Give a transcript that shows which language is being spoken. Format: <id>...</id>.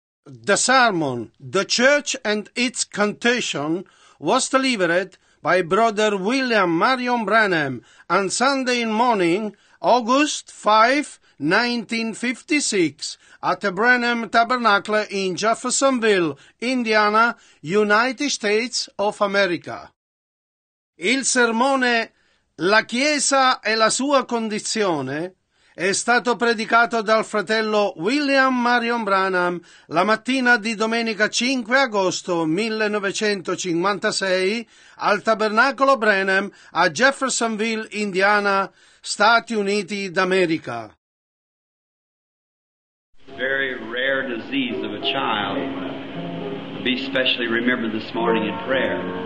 <en>The sermon, "The Church and Its Contention," was delivered by Brother William Marion Branham on Sunday morning, August 5, 1956, at the Branham Tabernacle in Jeffersonville, Indiana, United States of America.</en> <it>Il sermone "La Chiesa e la sua condizione" è stato predicato dal fratello William Marion Branham la mattina di domenica 5 agosto 1956 al Tabernacolo Branham a Jeffersonville, Indiana, Stati Uniti d'America.</it> <en>Very rare disease of a child. Be specially remembered this morning in prayer.</en>